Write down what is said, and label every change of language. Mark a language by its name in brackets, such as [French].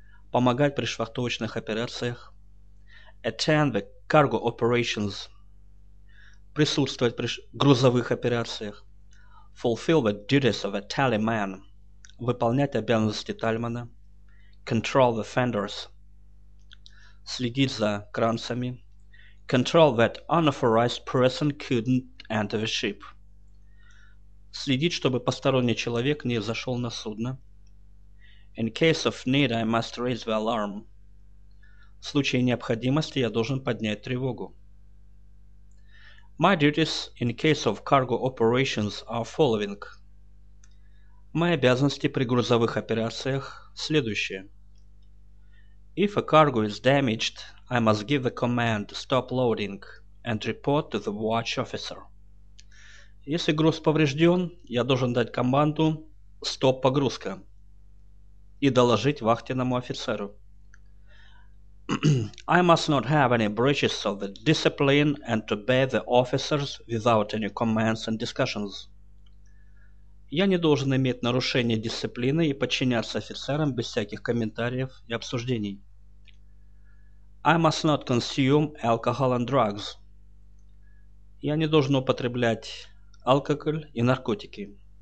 [Russian] Помогать при швартовочных операциях. [English] Attend the cargo operations. [Russian] Присутствовать при грузовых операциях. [English] Fulfill the duties of a tallyman. [Russian] Выполнять обязанности тальмана. [English] Control the fenders. [Russian] Следить за кранцами. [English] Control that unauthorized person couldn't enter the ship. [Russian] Следить, чтобы посторонний человек не зашел на судно. [English] In case of need, I must raise the alarm. [Russian] В случае необходимости я должен поднять тревогу. [English] My duties in case of cargo operations are following. [Russian] Мои обязанности при грузовых операциях следующие. [English] If a cargo is damaged, I must give the command to stop loading and report to the watch officer. [Russian] Если груз поврежден, я должен дать команду «Стоп погрузка» и доложить вахтенному офицеру. [English] I must not have any breaches of the discipline and to obey the officers without any commands and discussions. [Russian] Я не должен иметь нарушения дисциплины и подчиняться офицерам без всяких комментариев и обсуждений. [English] I must not consume alcohol and drugs. [Russian] Я не должен употреблять алкоголь и наркотики.